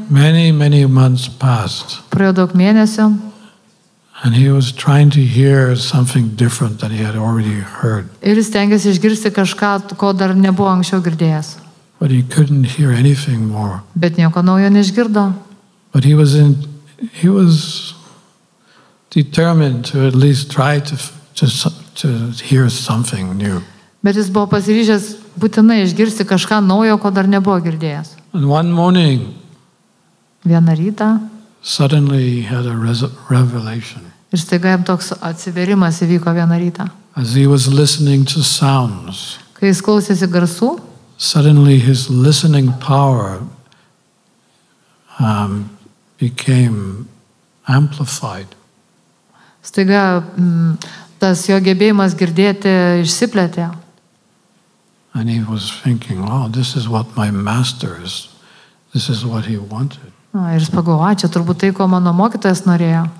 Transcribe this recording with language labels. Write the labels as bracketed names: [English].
[English] Many, many months passed. [Lithuanian] Praėjo daug mėnesių. [English] And he was trying to hear something different than he had already heard. [Lithuanian] Ir jis stengėsi išgirsti kažką, ko dar nebuvo anksčiau girdėjęs. [English] But he couldn't hear anything more. [Lithuanian] Bet nieko naujo neišgirdo. [English] But he was determined to at least try to hear something new. [Lithuanian] Bet jis buvo pasiryžęs būtinai išgirsti kažką naujo, ko dar nebuvo girdėjęs. [English] And one morning, [Lithuanian] vieną rytą, [English] suddenly he had a revelation. [Lithuanian] Ir staiga jam toks atsiverimas įvyko vieną rytą. [English] As he was listening to sounds, [Lithuanian] kai jis klausėsi garsų, [English] suddenly his listening power became amplified. [Lithuanian] Staiga tas jo gebėjimas girdėti išsiplėtė. [English] And he was thinking, oh, this is what my master is. This is what he wanted. [Lithuanian] Ir jis pagalvojo, čia turbūt tai, ko mano mokytojas norėjo.